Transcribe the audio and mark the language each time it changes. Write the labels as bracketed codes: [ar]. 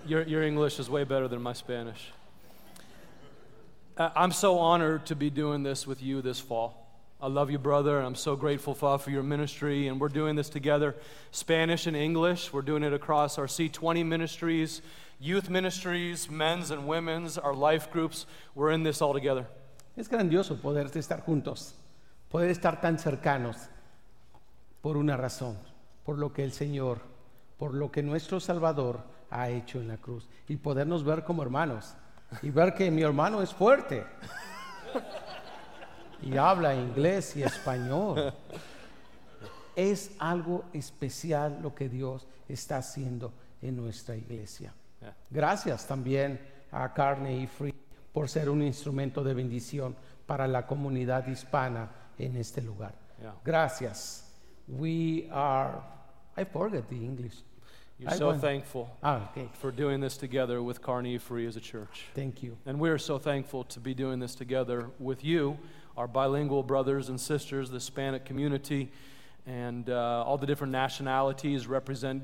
[en] Your English is way better than my Spanish. I'm so honored to be doing this with you this fall. I love you, brother, and I'm so grateful for your ministry, and we're doing this together, Spanish and English. We're doing it across our C20 ministries, youth ministries, men's and women's, our life groups. We're in this all together. [es] Es grandioso poder estar juntos, poder estar tan cercanos por una razón, por lo que el Señor, por lo que nuestro Salvador ha hecho en la cruz, y podernos ver como hermanos, y ver que mi hermano es fuerte, y habla inglés y español. Es algo especial lo que Dios está haciendo en nuestra iglesia. Gracias también a Kearney y eFree por ser un instrumento de bendición para la comunidad hispana en este lugar. Gracias. [en] I forget the English. You're so thankful for doing this together with Kearney eFree as a church. Thank you. And we are so thankful to be doing this together with you, our bilingual brothers and sisters, the Hispanic community, and all the different nationalities represent.